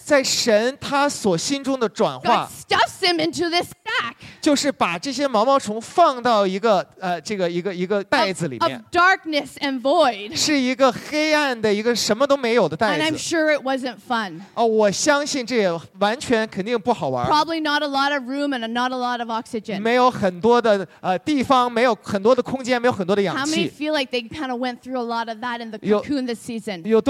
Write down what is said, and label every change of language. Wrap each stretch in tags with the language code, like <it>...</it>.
<zh>在神他所心中的转化,</zh> <en>God stuffs him into this sack.</en> <zh>就是把这些毛毛虫放到一个袋子里面。</zh> <en>Of darkness and void.</en> <zh>是一个黑暗的一个什么都没有的袋子。</zh> <en>And I'm sure it wasn't fun.</en> <zh>我相信这也完全肯定不好玩。</zh> <en>Probably not a lot of room and not a lot of oxygen.</en> <zh>没有很多的地方，没有很多的空间，没有很多的氧气。</zh> <en>How many feel like they kind of went through a lot of that in the cocoon this season?</en>